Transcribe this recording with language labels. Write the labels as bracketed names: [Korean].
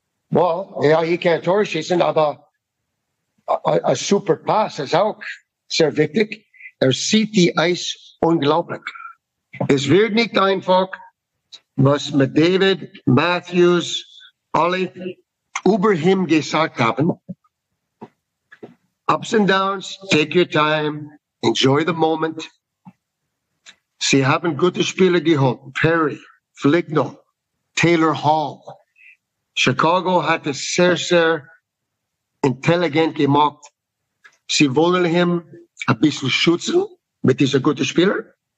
[German] Well, ja, ich kann Tore schießen, aber ein super Pass ist auch sehr wichtig. Er sieht die Eis unglaublich. Es wird nicht einfach, was mit David, Matthews, alle über ihm gesagt haben. [English] Ups and downs, take your time, enjoy the moment. [German] Sie haben gute Spieler geholt. Perry, Fligno, Taylor Hall. Chicago hat es sehr, sehr intelligent gemacht. Sie wollen ihn ein bisschen schützen mit diesem guten Spieler.